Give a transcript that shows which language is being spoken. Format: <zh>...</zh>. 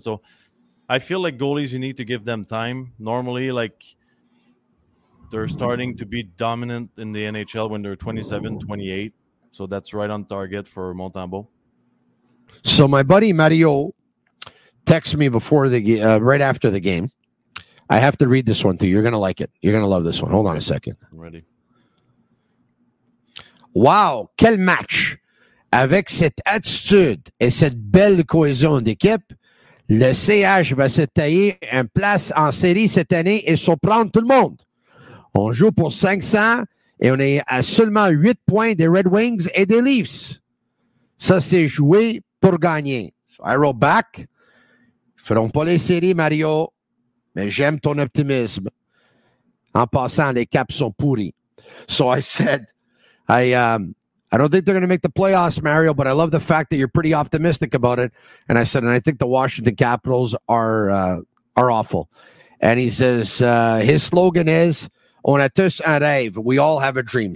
<en>So I feel like goalies, you need to give them time. Normally, like, they're starting to be dominant in the NHL when they're 27, 28. So that's right on target for Montembeau. So my buddy Mario texted me before right after the game. I have to read this one to you. You're going to like it. You're going to love this one. Hold on a second. I'm ready.</en> <fr>Wow, quel match! Avec cette attitude et cette belle cohésion d'équipe, le CH va se tailler une place en série cette année et surprendre tout le monde. On joue pour 500 et on est à seulement 8 points des Red Wings et des Leafs. Ça, c'est jouer pour gagner.</fr> <en>So I wrote back.</en> <fr>Ils ne feront pas les séries, Mario, mais j'aime ton optimisme. En passant, les Caps sont pourris.</fr> <en>So I said, I don't think they're going to make the playoffs, Mario, but I love the fact that you're pretty optimistic about it. And I said, and I think the Washington Capitals are awful. And he says, his slogan is,</en> <fr>on a tous un rêve,</fr> <en>we all have a dream.</en>